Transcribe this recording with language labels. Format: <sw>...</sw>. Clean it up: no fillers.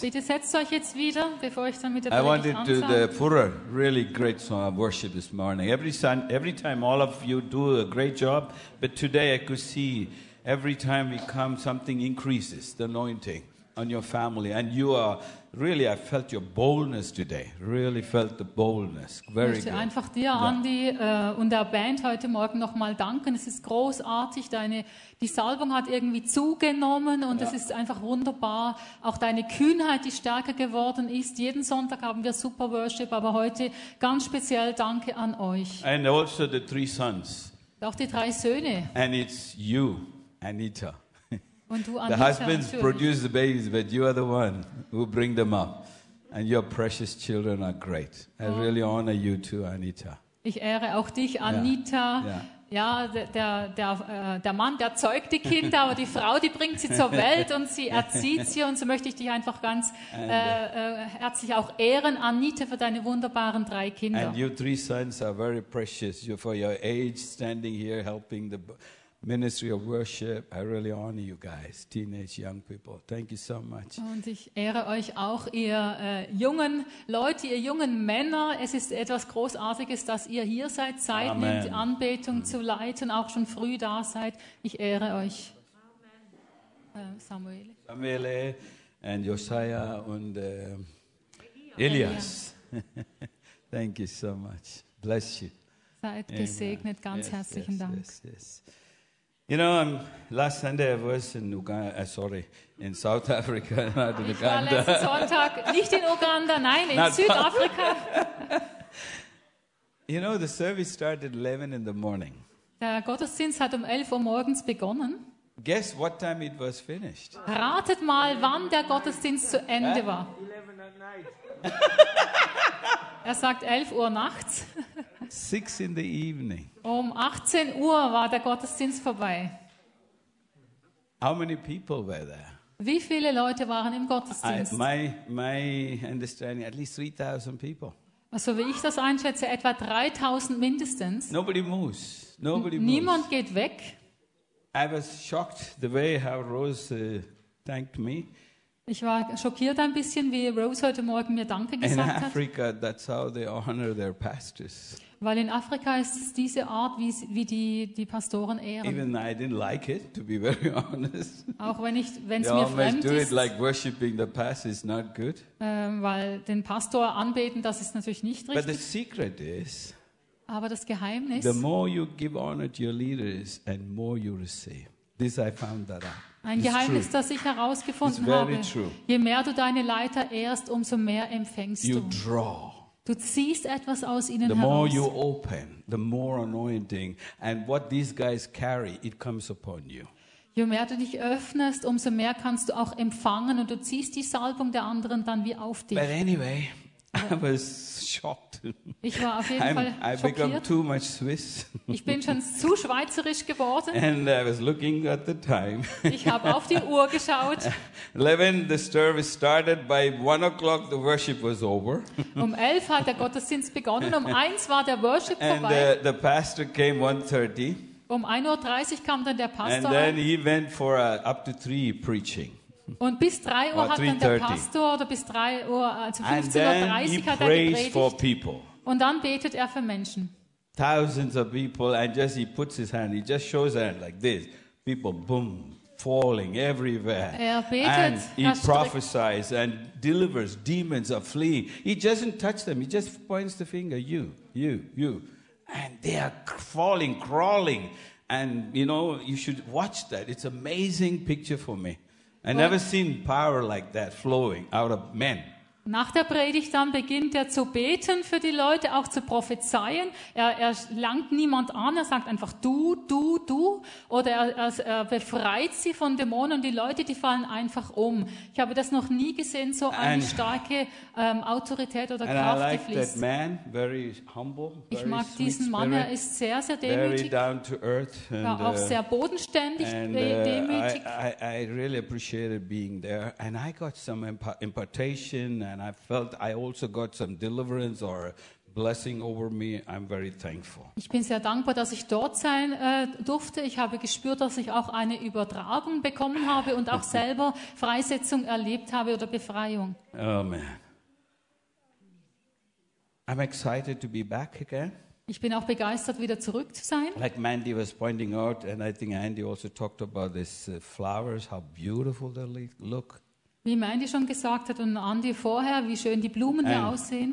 <de>Bitte setzt euch jetzt wieder, bevor ich dann mit der</de> <en>I wanted to do the Fura, really great song of worship this morning. Every time all of you do a great job, but today I could see every time we come, something increases, the anointing on your family. And you are, really, I felt your boldness today. Really felt the boldness. Very good.</en> <de>Ich möchte einfach dir, Andy, und der Band heute Morgen nochmal danken. Es ist großartig. Die Salbung hat irgendwie zugenommen und es ist einfach wunderbar. Auch deine Kühnheit, die stärker geworden ist. Jeden Sonntag haben wir super Worship, aber heute ganz speziell danke an euch.</de> <en>And also the three sons.</en> <de>Auch die drei Söhne.</de> <en>And it's you. Anita.</en> <de>Und du, Anita,</de> <en>the husbands produce the babies, but you are the one who bring them up. And your precious children are great. I really honor you too, Anita.</en> <de>Ich ehre auch dich, Anita. Yeah. Ja, der Mann, der zeugt die Kinder, aber die Frau, die bringt sie zur Welt und sie erzieht sie. Und so möchte ich dich einfach ganz herzlich auch ehren, Anita, für deine wunderbaren drei Kinder.</de> <en>And you three sons are very precious. You, for your age, standing here, helping the Ministry of Worship, I really honor you guys, teenage young people. Thank you so much.</en> <de>Und ich ehre euch auch, ihr jungen Leute, ihr jungen Männer. Es ist etwas Großartiges, dass ihr hier seid, Zeit nehmt, die Anbetung zu leiten, auch schon früh da seid. Ich ehre euch.</de> <en>Samuele. Samuele and Josiah und Elias. Thank you so much. Bless you.</en> <de>Seid gesegnet. Ganz herzlichen Dank. Yes.</de> <en>You know, last Sunday I was in Uganda, in South Africa, not in Uganda.</en> <de>Ich war letzten Sonntag nicht in Uganda, nein, in Südafrika.</de> <en>You know, the service started 11 in the morning.</en> <de>Der Gottesdienst hat 11 Uhr morgens begonnen.</de> <en>Guess what time it was finished.</en> <de>Ratet mal, wann der Gottesdienst zu Ende war.</de> <en>11 at night.</en> <de>Er sagt 11 Uhr nachts.</de> <en>6 in the evening.</en> <de>18 Uhr war der Gottesdienst vorbei.</de> <en>How many people were there?</en> <de>Wie viele Leute waren im Gottesdienst?</de> <en>My understanding, at least 3,000 people.</en> <de>Also wie ich das einschätze, etwa 3,000 mindestens.</de> <en>Nobody moves. Nobody moves.</en> <de>Niemand geht weg.</de> <en>I was shocked the way how Rose thanked me.</en> <de>Ich war schockiert ein bisschen, wie Rose heute Morgen mir Danke gesagt hat.</de> <en>In Africa, that's how they honor their pastors.</en> <de>Weil in Afrika ist es diese Art, wie die Pastoren ehren.</de> <en>Even I didn't like it, to be very honest.</en> <de>Auch wenn es mir fremd ist.</de> <en>Do it like worshiping the pastor is not good.</en> <de>Weil den Pastor anbeten, das ist natürlich nicht richtig.</de> <en>But the secret is,</en> <de>aber das Geheimnis,</de> <en>the more you give honor to your leaders, and more you receive. This I found that out.</en> <de>Ein Geheimnis, das ich herausgefunden habe. Je mehr du deine Leiter ehrst, umso mehr empfängst du.</de> <en>Draw.</en> <de>Du ziehst etwas aus ihnen</de> <en>the</en> <de>heraus.</de> <en>The more you open, the more anointing and what these guys carry, it comes upon you.</en> <de>Je mehr du dich öffnest, umso mehr kannst du auch empfangen und du ziehst die Salbung der anderen dann wie auf dich.</de> <en>But anyway, I was shocked.</en> <de>Ich war auf jeden Fall schockiert.</de> <en>I become too much Swiss.</en> <de>Ich bin schon zu schweizerisch geworden.</de> <en>And I was looking at the time.</en> <de>Ich habe auf die Uhr geschaut.</de> <en>11, the service started. By 1 o'clock, the worship was over.</en> <de>11 hat der Gottesdienst begonnen. 1 war der Worship vorbei.</de> <en>And the pastor came 1:30.</en> <de>1:30 Uhr kam dann der Pastor.</de> <en>And then he went for up to 3 preaching.</en> <de>Und bis 3 Uhr hat dann der Pastor, oder bis 3 Uhr, also 15:30 Uhr hat er gepredigt. Und dann betet er für Menschen.</de> <en>Thousands of people, and just he puts his hand, he just shows his hand like this. People, boom, falling everywhere. Er betet, and he prophesies and delivers, demons are fleeing. He doesn't touch them, he just points the finger, you, you, you. And they are falling, crawling. And you know, you should watch that. It's an amazing picture for me. I never seen power like that flowing out of men.</en> <de>Nach der Predigt dann beginnt er zu beten für die Leute, auch zu prophezeien. Er langt niemand an, er sagt einfach du, du, du. Oder er befreit sie von Dämonen und die Leute, die fallen einfach um. Ich habe das noch nie gesehen, so eine starke Autorität oder Kraft,</de> <en>like</en> <de>die fließt.</de> <en>Man, very humble, very</en> <de>ich mag diesen Mann,</de> <en>spirit,</en> <de>er ist sehr, sehr demütig.</de> <en>Down to earth and,</en> <de>ja, auch sehr bodenständig, demütig.</de> <en>I really appreciated being there and I got some impartation. And I felt I also got some deliverance or blessing over me. I'm very thankful.</en> <de>Ich bin sehr dankbar, dass ich dort sein durfte. Ich habe gespürt, dass ich auch eine Übertragung bekommen habe und auch selber Freisetzung erlebt habe oder Befreiung.</de> <en>Oh man. I'm excited to be back again.</en> <de>Ich bin auch begeistert, wieder zurück zu sein.</de> <en>Like Mandy was pointing out, and I think Andy also talked about these flowers, how beautiful they look.</en> <de>Wie Mandy schon gesagt hat und Andy vorher, wie schön die Blumen hier aussehen.</de>